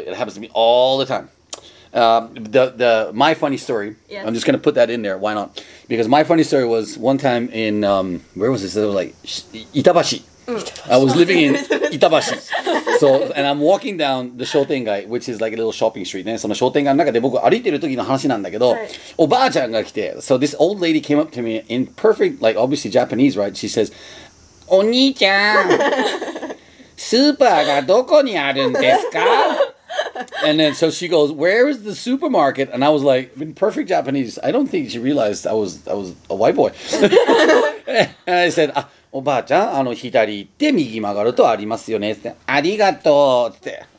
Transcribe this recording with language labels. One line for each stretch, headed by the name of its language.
English: It happens to me all the time. The my funny story,、 yes. I'm just going to put that in there. Why not? Because my funny story was one time in,、where was this? It was like, Itabashi.、 Mm. I was living in Itabashi. So, and I'm walking down the 商店街, which is like a little shopping street.
Japanese: その商店街の中で僕歩いてる時の話なんだけど、
English: right.
Japanese: おばあちゃんが来て、
English: so this old lady came up to me in perfect, like obviously Japanese, right? She says,
Japanese: お兄ちゃん、スーパーがどこにあるんですか?
English: And then so she goes, where is the supermarket? And I was like, in perfect Japanese, I don't think she realized I was a white boy. And I said,
Japanese: おばあちゃん、あの左行って右曲がるとありますよねって、ありがとうって。